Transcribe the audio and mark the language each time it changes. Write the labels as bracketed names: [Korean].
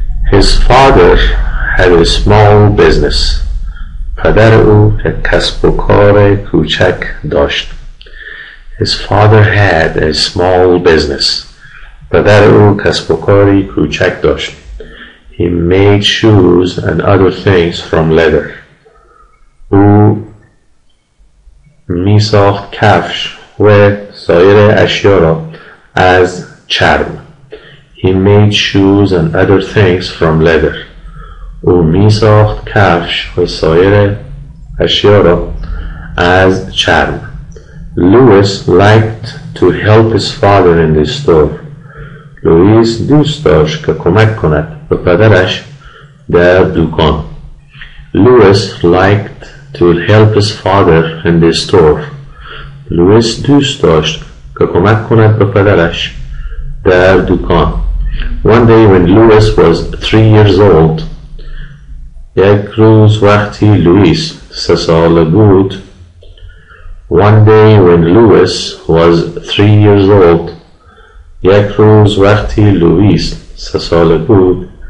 [English] His father had a small business. [Persian] پدر او کسب و کار کوچک داشت. [English] His father had a small business. [Persian] پدر او کسب و کاری کوچک داشت. [English] He made shoes and other things from leather. [Persian] او می ساخت کفش و سایر اشیا را از چرم. [English] He made shoes and other things from leather. [Persian] او می ساخت کفش و سایر اشیا را از چرم. [English] Louis liked to help his father in the store. [Persian] لوئیس دوست داشت که کمک کند به پدرش در دوکان. [English] Louis liked to help his father in the store. [Persian] لوئیس دوست داشت که کمک کند به پدرش در دوکان. [English] One day when Louis was 3 years old, [Persian] یک روز وقتی لوئیس 3 ساله بود. [English] One day when Louis was 3 years old, [Persian] یک روز وقتی لوئیس 3 ساله بود.